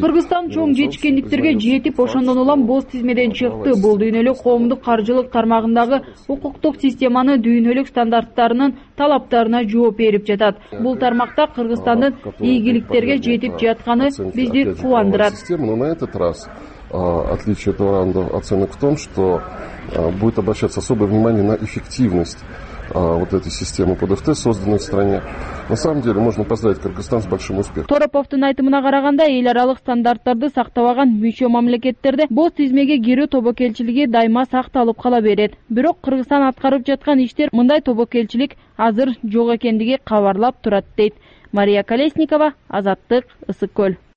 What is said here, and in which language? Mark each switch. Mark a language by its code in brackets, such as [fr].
[ky] Кыргызстан чоң жетишкендиктерге жетип, ошондон улам боз тизмеден чыкты. Бул дүйнөлүк коомдук каржылык тармагындагы укуктук системанын дүйнөлүк стандарттарынын талаптарына жооп берип жатат. Бул тармакта Кыргызстандын ийгиликтерге жетип жатканы бизди кубандырат. [ru] Но на этот раз отличие этого раунда оценок в том, что будет обращаться особое внимание на эффективность вот этой системы ПДФТ, созданной в стране. На самом деле, можно поздравить Кыргызстан с большим успехом. [ky] Тороповтун айтымына караганда, эл аралык стандарттарды сактабаган мүчө мамлекеттерде боз тизмеге кирүү тобокелчилиги дайыма сакталып кала берет. Бирок Кыргызстан аткарып жаткан иштер мындай тобокелчилик азыр жок экендиги кабарлап турат дейт. Мария Колесникова, Азаттык, Ысык Көл.